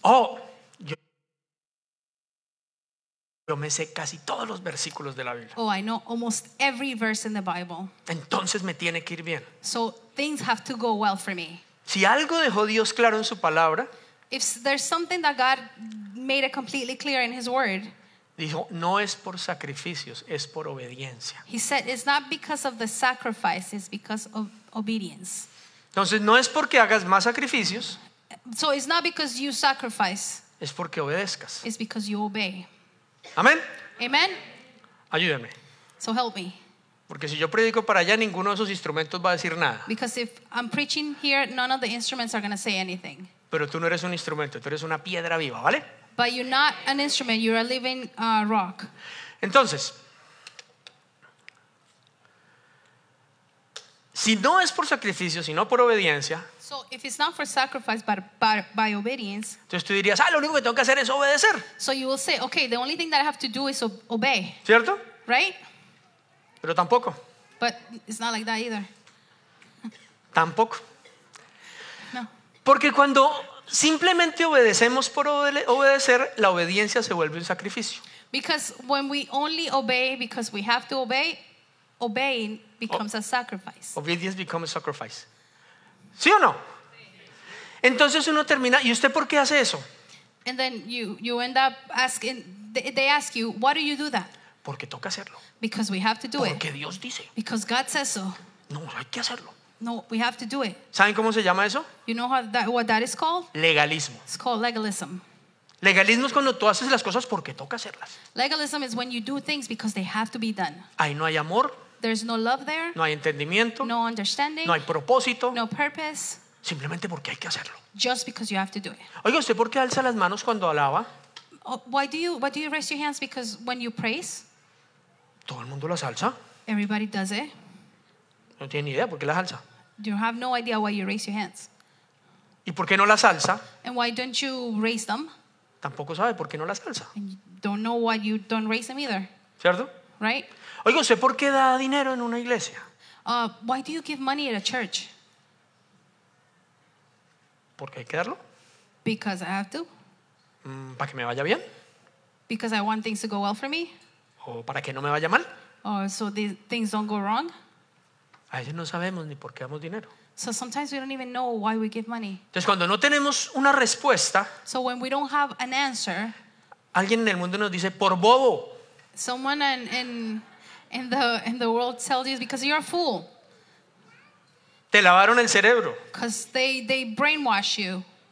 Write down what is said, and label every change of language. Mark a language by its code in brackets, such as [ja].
[es] Oh, yo me sé casi todos los versículos de la Biblia. [en] Oh, I know almost every verse in the Bible. [es] Entonces me tiene que ir bien. [en] So things have to go well for me. [es] Si algo dejó Dios claro en su palabra, [en] if there's something that God made it completely clear in his word, [es] dijo, no es por sacrificios, es por obediencia. [en] He said, it's not because of the sacrifice, it's because of obedience. [es] Entonces, no es porque hagas más sacrificios. [en] So it's not because you sacrifice. [es] Es porque obedezcas. [en] It's because you obey. [es] Amén. [en] Amen. [es] Ayúdame. [en] So help me. [es] Porque si yo predico para allá, ninguno de esos instrumentos va a decir nada. [en] Because if I'm preaching here, none of the instruments are going to say anything. [es] Pero tú no eres un instrumento, tú eres una piedra viva, ¿vale? [en] But you're not an instrument, you're a living rock. [es] Entonces, si no es por sacrificio, sino por obediencia, [en] so if it's not for sacrifice, but by obedience, [es] entonces tú dirías, ah, lo único que tengo que hacer es obedecer. [en] So you will say, okay, the only thing that I have to do is obey. [es] ¿Cierto? [en] Right? [es] Pero tampoco. [en] But it's not like that either. [es] Tampoco. [en] No. [es] Porque cuando simplemente obedecemos por obedecer, la obediencia se vuelve un sacrificio. [en] Because when we only obey because we have to obey, obeying becomes a sacrifice. Obedience becomes a sacrifice. [es] ¿Sí o no? Entonces uno termina, ¿y usted por qué hace eso? [en] And then you end up asking, they ask you, why do you do that? [es] Porque toca hacerlo. [en] Because we have to do [es] porque [en] it. [es] Porque Dios dice. [en] Because God says so. [es] No, hay que hacerlo. [en] No, we have to do it. [es] ¿Saben cómo se llama eso? [en] You know what that is called? [es] Legalismo. [en] It's called legalism. [es] Legalismo es cuando tú haces las cosas porque toca hacerlas. [en] Legalism is when you do things because they have to be done. [es] Ahí no hay amor. [en] There's no love there. [es] No hay entendimiento. [en] No understanding. [es] No hay propósito. [en] No purpose. [es] Simplemente porque hay que hacerlo. [en] Just because you have to do it. [es] Oiga, ¿usted por qué alza las manos cuando alaba? [en] Why do you raise your hands because when you praise? [es] Todo el mundo las alza. [en] Everybody does it. [es] No tiene ni idea por qué las alza. [en] You have no idea why you raise your hands. [es] ¿Y por qué no las alza? [en] And why don't you raise them? [es] Tampoco sabe por qué no las alza. [en] And you don't know why you don't raise them either. [es] ¿Cierto? [en] Right? [es] Oiga, ¿usted por qué da dinero en una iglesia? [en] Why do you give money at a church? [es] Porque hay que darlo. [en] Because I have to. [es] ¿Para que me vaya bien? [en] Because I want things to go well for me. [es] ¿O para que no me vaya mal? [en] Oh, so these things don't go wrong. [es] A veces no sabemos ni por qué damos dinero. [en] So sometimes we don't even know why we give money. [es] Entonces cuando no tenemos una respuesta, [en] so when we don't have an answer, [es] alguien en el mundo nos dice por bobo. [en] Someone in the world tells you because you're a fool. [es] Te lavaron el cerebro. [en] Because they brainwash you.